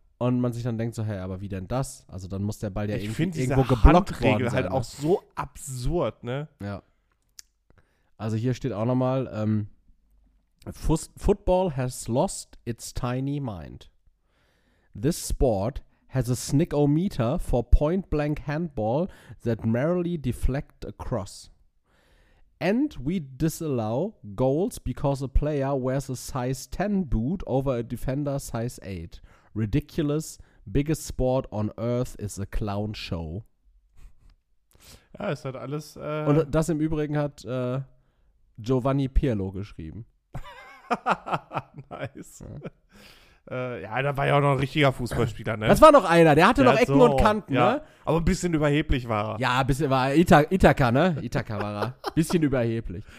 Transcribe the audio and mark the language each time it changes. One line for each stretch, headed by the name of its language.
German: Und man sich dann denkt so, hey, aber wie denn das? Also dann muss der Ball ja irgendwo geblockt worden sein. Ich finde diese Handregel halt auch so absurd, ne? Ja. Also hier steht auch nochmal,
English: Football has lost its tiny mind. This sport has a snick-o-meter for point-blank handball that merrily deflect across. And we disallow goals because a player wears a size 10 boot over a defender size 8. Ridiculous. Biggest sport on earth is a clown show.
German: Ja, ist halt alles. Und das im Übrigen hat Giovanni Pirlo geschrieben. Nice. Ja, da war ja auch noch ein richtiger Fußballspieler, ne? Das war noch einer, der hatte ja, noch Ecken so, und Kanten, ja, ne? Aber ein bisschen überheblich war er. Ja, ein bisschen war Ithaka, ne? Ithaka war er. Bisschen überheblich.